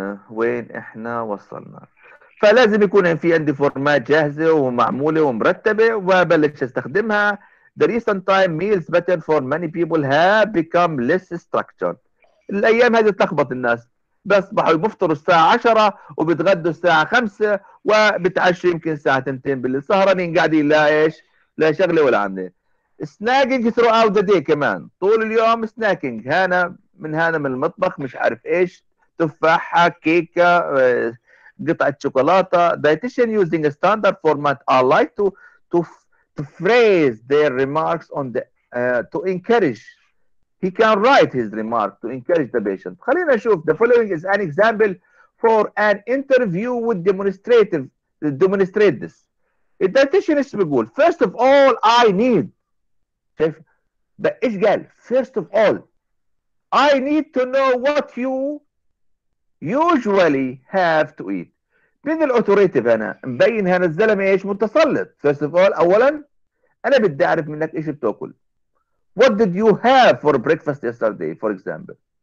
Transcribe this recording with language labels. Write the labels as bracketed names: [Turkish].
[Arabic] وين احنا وصلنا؟ فلازم يكون في عندي فورمات جاهزه ومعموله ومرتبه، وبلش استخدمها. [English] The recent time meals better for many people have become less structured. [Arabic] الايام هذه تلخبط الناس، بيصبحوا بفطروا الساعه 10 وبتغدوا الساعه 5 وبتعشوا يمكن الساعه 2 بالليل، سهرانين قاعدين، لا ايش، لا شغله ولا عمله. [English] سناكينج ثرو اوت ذا داي، [Arabic] كمان طول اليوم سناكينج، هنا من هنا من المطبخ مش عارف ايش، تفاحه، كيكه، قطعه شوكولاته. [English] Dietitian using standard format or like to phrase their remarks on the to encourage he can write his remark to encourage the patient. [Arabic] خلينا نشوف. [English] The following is an example for an interview with demonstrate this. The dietitian is [Arabic] بيقول [English] first of all I need، [Arabic] شايف ايش قال؟ [English] first of all I need to know what you usually have to eat. [Arabic] من الاوتوريتيف هنا مبين هنا الزلمه ايش متسلط. [English] first of all [Arabic] اولا انا بدي اعرف منك ايش بتاكل. [English] What did you have for breakfast yesterday, for example?